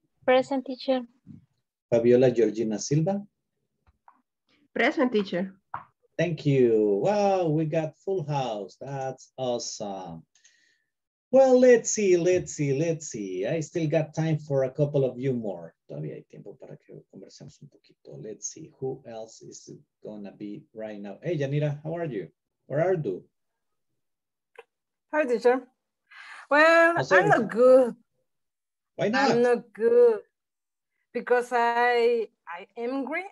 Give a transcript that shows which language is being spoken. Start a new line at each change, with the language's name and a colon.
English: Present, teacher. Fabiola Georgina Silva. Present, teacher. Thank you. Wow, we got full house. That's awesome. Well, let's see. I still got time for a couple of you more.
Spanish: Todavía hay tiempo para que conversemos un poquito.
English: Let's see who else is gonna be right now. Hey, Yanira, how are you? Where are you? Hi, teacher. Well, I'm not good. Why not? I'm not good because I am angry.